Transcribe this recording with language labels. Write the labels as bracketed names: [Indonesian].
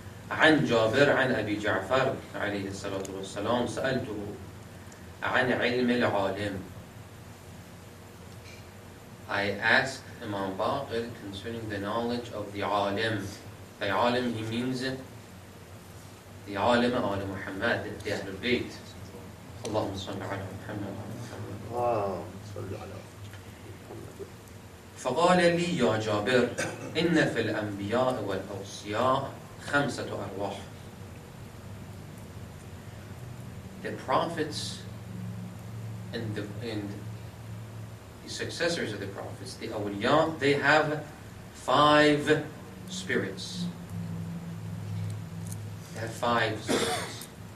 [Arabic] عن جابر عن أبي جعفر عليه الصلاة والسلام سألته عن علم العالم. [English] I asked Imam Baqir concerning the knowledge of the عالم. By عالم he means the [Arabic] عالم آل محمد [English] the أهل البيت. [Arabic] اللهم صل على محمد. اللهم صل على محمد. فقال لي يا جابر إن في الأنبياء والأوصياء خمسة أرواح. [English] The prophets and the successors of the prophets, the awliya, they have five spirits. They have five spirits.